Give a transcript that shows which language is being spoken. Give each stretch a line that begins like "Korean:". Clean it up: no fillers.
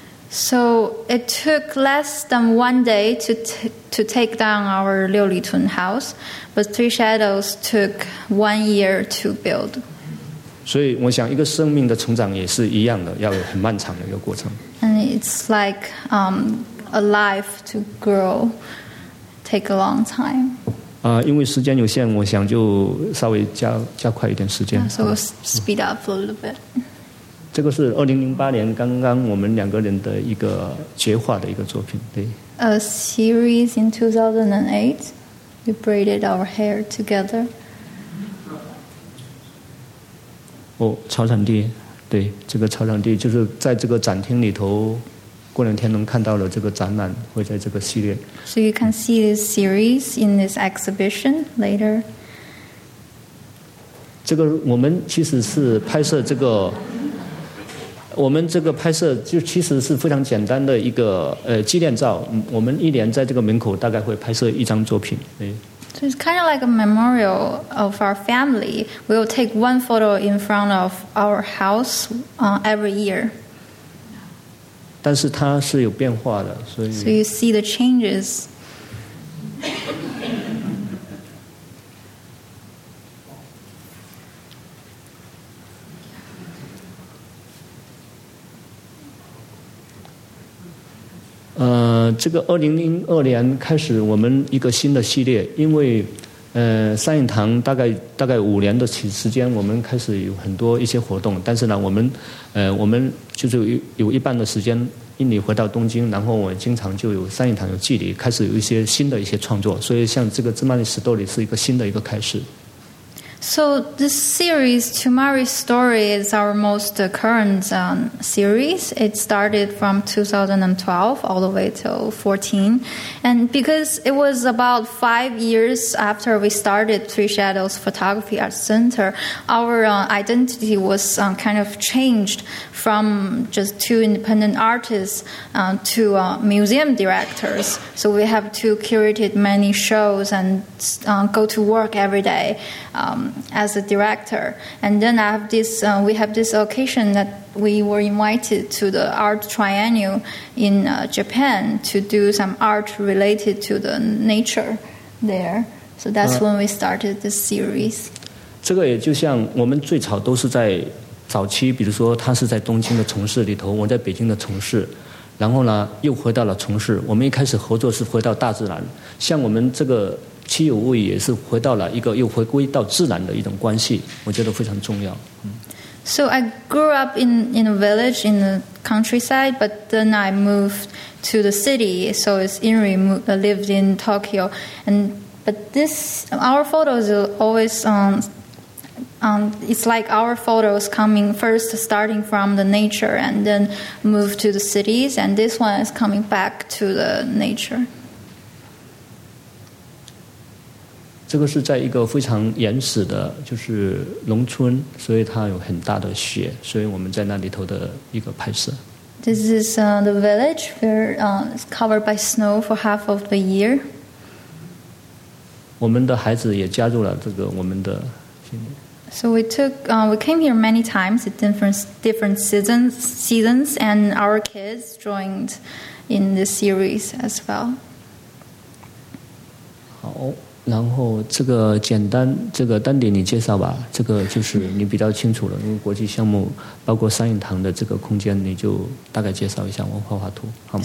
English: So it took less than one day to take down our Liu Li Tun house, but Three Shadows took 1 year to build.
Chinese: 所以我想一个生命的成长也是一样的，要有很漫长的一个过程。
English: And it's like a life to grow, take a long time.
Chinese: 因为时间有限，我想就稍微加快一点时间。
English: So we'll speed up a little bit.
Chinese: 这个是2008年刚刚我们两个人的一个结画的一个作品，对。
English: A series in 2008, we braided our hair together.
Chinese: 哦，草场地，对，这个草场地就是在这个展厅里头过两天能看到了这个展览会在这个系列。
English: So you can see this series in this exhibition later.
Chinese: 这个我们其实是拍摄这个，我们这个拍摄就其实是非常简单的一个纪念照。我们一年在这个门口大概会拍摄一张作品。
English: So it's kind of like a memorial of our family. We will take one photo in front of our house every year.
Chinese: 但是它是有变化的，所以。
English: So you see the changes.
Chinese: 这个2002年开始我们一个新的系列，因为三影堂大概五年的时间我们开始有很多一些活动，但是呢我们就是有一半的时间因你回到东京，然后我经常就有三影堂有距离开始有一些新的一些创作，所以像这个芝麻绿石豆里是一个新的一个开始。
English: So this series, Tomari's Story, is our most current series. It started from 2012 all the way till 14. And because it was about 5 years after we started Three Shadows Photography Art Center, our identity was kind of changed from just two independent artists to museum directors. So we have to curate many shows and go to work every day. As a director, and then I have this, we have this occasion that we were invited to the Art Triennial in Japan to do some art related to the nature there. So that's when we started this series.
Chinese: 这个也就像我们最早都是在早期，比如说他是在东京的城市里头，我在北京的城市，然后呢又回到了城市。我们一开始合作是回到大自然，像我们这个。七有物语也是回到了一个又回归到自然的一种关系，我觉得非常重要。
English: So I grew up in a village in the countryside, but then I moved to the city. So it's Inri lived in Tokyo, but this our photos are always it's like our photos coming first, starting from the nature, and then move to the cities, and this one is coming back to the nature.
Chinese: 这个是在一个非常原始的就是农村，所以它有很大的雪，所以我们在那里头的一个拍摄。
English: This is the village where it's covered by snow for half of the year.
Chinese: 我们的孩子也加入了这个我们的。
English: So we took, we came here many times at different seasons, and our kids joined in this series as well.
Chinese: 好。然后这个简单，这个丹迪你介绍吧，这个就是你比较清楚了，因为国际项目包括三影堂的这个空间，你就大概介绍一下，我画画图好吗